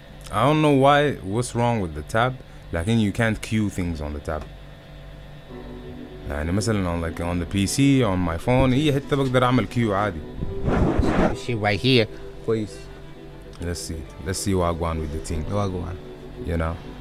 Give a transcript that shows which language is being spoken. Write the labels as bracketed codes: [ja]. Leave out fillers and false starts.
[en] I don't know why, what's wrong with the tab, like you can't queue things on the tab. [ar] يعني مثلا [en] on like on the PC, on my phone, [ar] هي حتى بقدر اعمل كيو عادي. [en] She right here. كويس. Let's see. Let's see what I go on with the thing. What I go on. You know.